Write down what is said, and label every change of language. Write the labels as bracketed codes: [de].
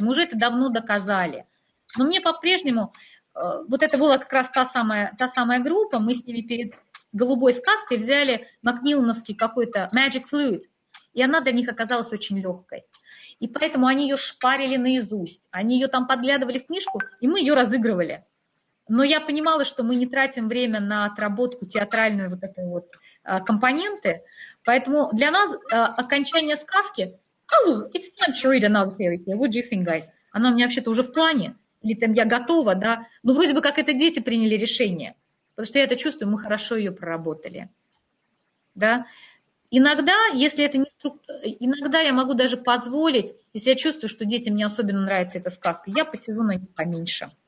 [ru] Мы уже это давно доказали. Но мне по-прежнему, вот это была как раз та самая группа, мы с ними перед голубой сказкой взяли макмиллановский какой-то magic fluid, и она для них оказалась очень легкой. И поэтому они ее шпарили наизусть. Они ее там подглядывали в книжку, и мы ее разыгрывали. Но я понимала, что мы не тратим время на отработку театральную вот этой вот компоненты. Поэтому для нас окончание сказки... [en] Oh, it's time to read another fairy tale. What do you think, guys? [ru] Она у меня вообще-то уже в плане. Или там я готова, да? Ну, вроде бы как это дети приняли решение. Потому что я это чувствую, мы хорошо ее проработали. Да? Иногда, если это не структура, иногда я могу даже позволить, если я чувствую, что детям не особенно нравится эта сказка, я посижу на ней поменьше.